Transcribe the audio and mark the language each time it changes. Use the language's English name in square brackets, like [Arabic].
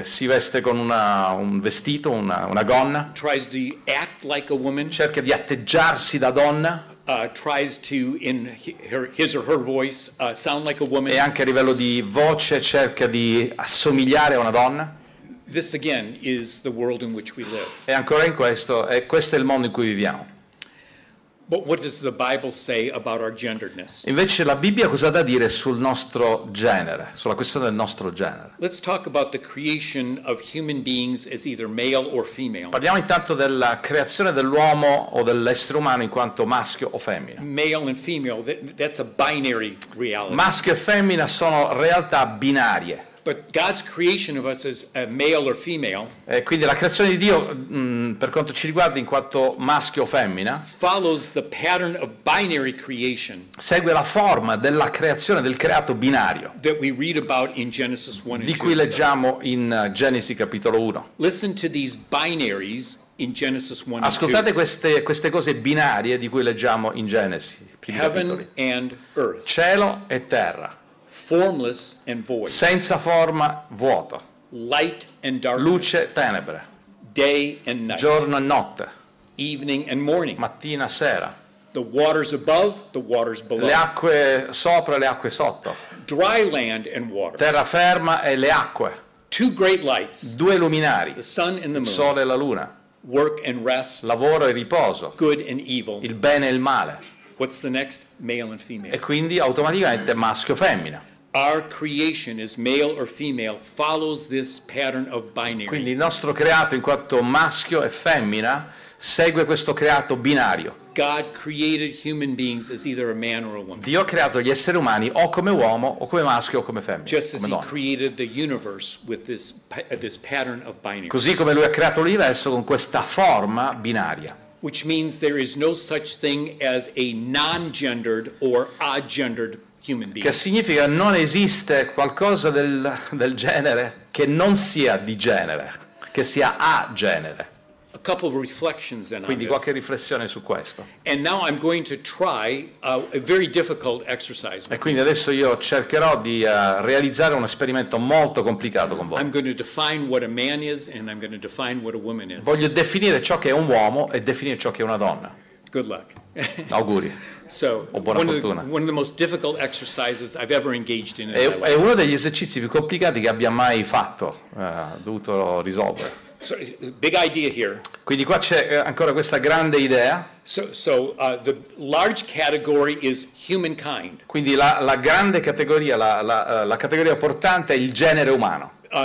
[Italian] Si veste con un vestito, una gonna. [English] Tries to act like a woman. [Italian] Cerca di atteggiarsi da donna. [English] Tries to in his or her voice sound like a woman. [Italian] E anche a livello di voce cerca di assomigliare a una donna. [English] This again is the world in which we live. [Italian] E ancora in questo, e questo è il mondo in cui viviamo. [English] But what does the Bible say about our genderedness? [Italian] Invece la Bibbia cosa ha da dire sul nostro genere, sulla questione del nostro genere? [English] Let's talk about the creation of human beings as either male or female. [Italian] Parliamo intanto della creazione dell'uomo o dell'essere umano in quanto maschio o femmina. [English] Male and female, that's a binary reality. [Italian] Maschio e femmina sono realtà binarie. [English] But God's creation of us as a male or female. [Italian] E quindi la creazione di Dio, per quanto ci riguarda in quanto maschio o femmina, [English] follows the pattern of binary creation. [Italian] Segue la forma della creazione del creato binario. [English] That we read about in Genesis 1 and 2. [Italian] Di cui leggiamo in Genesi capitolo 1. [English] Listen to these binaries in Genesis 1 and 2. [Italian] Ascoltate queste cose binarie di cui leggiamo in Genesi, primi [English] Heaven [Italian] capitoli. [English] And earth. [Italian] Cielo e terra. [English] Formless and void. [Italian] Senza forma, vuoto. [English] Light and darkness. [Italian] Luce, tenebre. [English] Day and night. [Italian] Giorno e notte. [English] Evening and morning. [Italian] Mattina, sera. [English] The waters above, the waters below. [Italian] Le acque sopra, le acque sotto. [English] Dry land and water. [Italian] Terra ferma e le acque. [English] Two great lights. [Italian] Due luminari. [English] The sun and the moon. [Italian] Il sole e la luna. [English] Work and rest. [Italian] Lavoro e riposo. [English] Good and evil. [Italian] Il bene e il male. [English] What's the next? Male and female. [Italian] E quindi automaticamente maschio femmina. [English] Our creation is male or female follows this pattern of binary. [Italian] Quindi il nostro creato in quanto maschio e femmina segue questo creato binario. [English] God created human beings as either a man or a woman. [Italian] Dio ha creato gli esseri umani o come uomo o come maschio o come femmina. [English] Just as [Italian] come [English] he [Italian] donna. [English] Created the universe with this pattern of binary. [Italian] Così come lui ha creato l'universo con questa forma binaria. [English] Which means there is no such thing as a non-gendered or odd-gendered human being. [Italian] Che significa non esiste qualcosa del genere che non sia di genere, che sia a genere. [English] A couple of reflections then. [Italian] Quindi qualche riflessione su questo. [English] And now I'm going to try a very difficult exercise. [Italian] E quindi adesso io cercherò di realizzare un esperimento molto complicato con voi. [English] I'm going to define what a man is and I'm going to define what a woman is. [Italian] Voglio definire ciò che è un uomo e definire ciò che è una donna. [English] Good luck. [Italian] Auguri. [English] So, [Italian] o buona fortuna. [English] One of the most difficult exercises I've ever engaged in. [Italian] È uno degli esercizi più complicati che abbia mai fatto, dovuto risolvere. [English] So, big idea here. [Italian] Quindi qua c'è ancora questa grande idea. [English] The large category is humankind. [Italian] Quindi la grande categoria, la categoria portante è il genere umano.